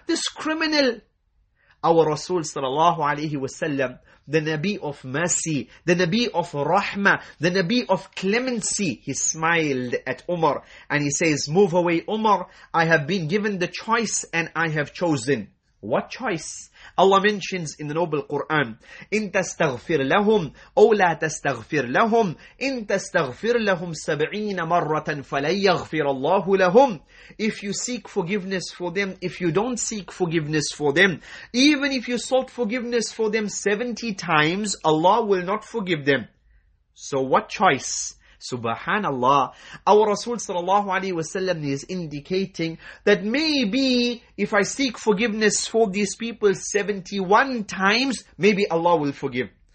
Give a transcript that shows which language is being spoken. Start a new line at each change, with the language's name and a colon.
English: This criminal, our Rasul sallallahu alaihi wasallam, the Nabi of mercy, the Nabi of rahmah, the Nabi of clemency, he smiled at Umar and he says, move away Umar, I have been given the choice and I have chosen. What choice? Allah mentions in the noble Quran,
Arabic: إِن تَسْتَغْفِرْ لَهُمْ أَوْ لَا تَسْتَغْفِرْ لَهُمْ إِن تَسْتَغْفِرْ لَهُمْ سَبْعِينَ مَرَّةً فَلَنْ يَغْفِرَ اللَّهُ لَهُمْ.
English: If you seek forgiveness for them, if you don't seek forgiveness for them, even if you sought forgiveness for them 70 times, Allah will not forgive them. So what choice? Subhanallah. Our Rasul sallallahu alayhi wasallam is indicating that maybe if I seek forgiveness for these people 71 times, maybe Allah will forgive.